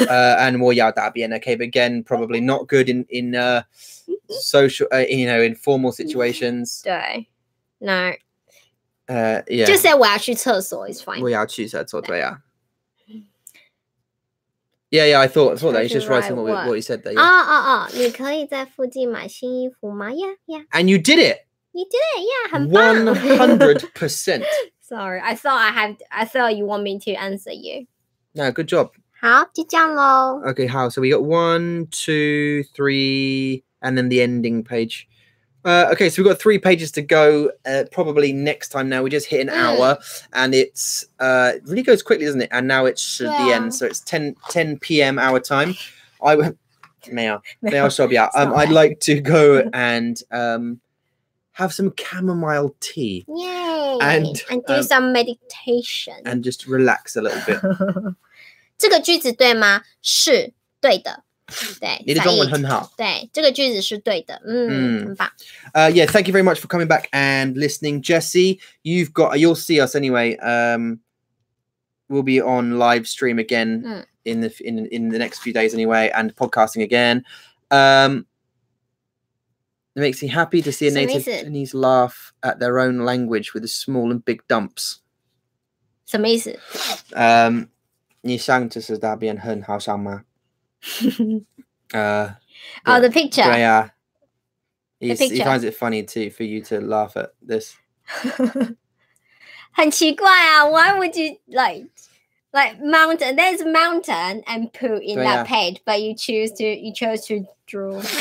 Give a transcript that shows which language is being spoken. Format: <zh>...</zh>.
<en>And</en> <zh>我要大便,</zh> <en>okay, but again, probably not good in social, you know, in formal situations. 对, no. Yeah. Just say</en> <zh>我要去厕所</zh> <en>is fine.</en> <zh>我要去厕所,对啊.</zh> <en>Yeah, yeah, I thought that. He's just writing what he said there. Yeah. Oh, oh, oh.</en> <zh>你可以在附近买新衣服吗?</zh> <en>Yeah, yeah. And you did it. You did it, yeah. 100%. Sorry, I thought you want me to answer you. No, good job.</en> <zh>好,就这样喽.</zh> <en>Okay, 好, so we got 1, 2, 3, and then the ending page. Okay, so we've got 3 pages to go, probably next time now. We just hit an hour, and it's it really goes quickly, doesn't it? And now it's the end, so it's 10 p.m. our time. I'd like to go and have some chamomile tea. Yay! And do some meditation. And just relax a little bit.</en> <zh>这个句子对吗?是,对的。对,你的中文很好。对,这个句子是对的。嗯,很棒。</zh> <en>Yeah, thank you very much for coming back and listening. Jesse, you've got, you'll see us anyway. We'll be on live stream again in the next few days anyway, and podcasting again. It makes me happy to see a native Chinese laugh at their own language with the small and big dumps.</en> <zh>什么意思? 你上次是大便很好上吗?</zh> <en>the picture. Yeah. He finds it funny too for you to laugh at this.</en> <zh>很奇怪啊,</zh> <en>why would you like mountain? There's a mountain and poo in that page, but you chose to draw.</en>